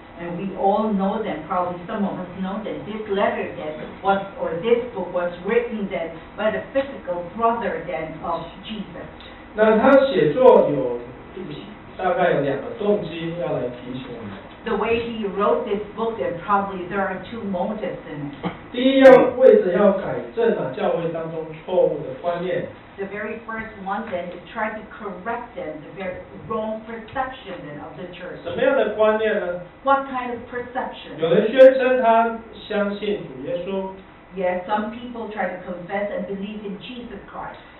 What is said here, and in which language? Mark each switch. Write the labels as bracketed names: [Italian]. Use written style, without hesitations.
[English] And we all know that, probably some of us know that this letter that was, or this book was written then by the physical brother then of Jesus. [Chinese] 那他写作有大概有两个动机要来提醒我们。 [English] The way he wrote this book, then probably there are two motives in it. [Chinese] 第一样，为着要改正教会当中错误的观念。 [English] The very first one then to try to correct them, the very wrong perception then of the church. [Chinese] 什么样的观念呢? [English] What kind of perception? [Chinese] 有人宣称他相信主耶稣。 [English] Yes, some people try to confess and believe in Jesus Christ.